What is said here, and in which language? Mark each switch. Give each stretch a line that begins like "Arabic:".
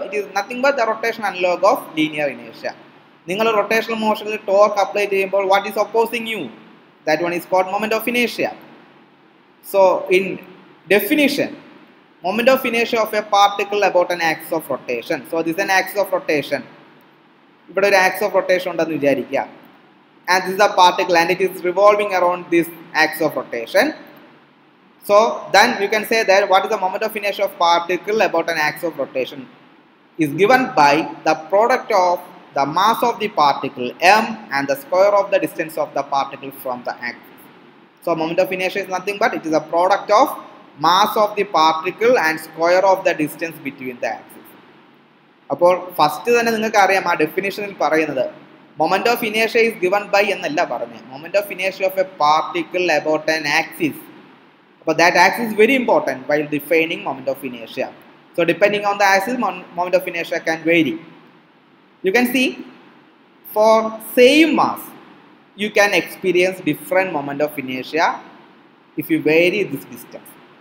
English: It is nothing but the rotational analogue of linear ഇനേഷ്യ.
Malayalam: നിങ്ങൾ rotational മോഷനിൽ torque apply ചെയ്യുമ്പോൾ
English: What is opposing U? That one is called moment of ഇനേഷ്യ. So in definition, moment of ഇനേഷ്യ of A particle about an axis of rotation. So this an axis of rotation.
Malayalam: ഇവിടെ ഒരു axis of rotation ഉണ്ടെന്ന് വിചാരിക്കുക.
English: And this is a particle and it is revolving around this axis of rotation. So then you can say that what is the moment of inertia of particle about an axis of rotation is given by the product of the mass of the particle m and the square of the distance of the particle from the axis. So moment of inertia is nothing but it is a product of mass of the particle and square of the distance between the axis.
Malayalam: അപ്പോൾ first തന്നെ നിങ്ങൾക്ക് അറിയാം ആ ഡെഫിനിഷനിൽ പറയുന്നത്
English: moment of ഇനേഷ്യ is given by
Malayalam: എന്നല്ല പറഞ്ഞത്.
English: Moment of ഇനേഷ്യ of A particle about an axis. അപ്പോൾ that axis is very important while defining moment of ഇനേഷ്യ. So depending on the axis moment of ഇനേഷ്യ can vary. You can see four same mass you can experience different moment of ഇനേഷ്യ if you vary this distance.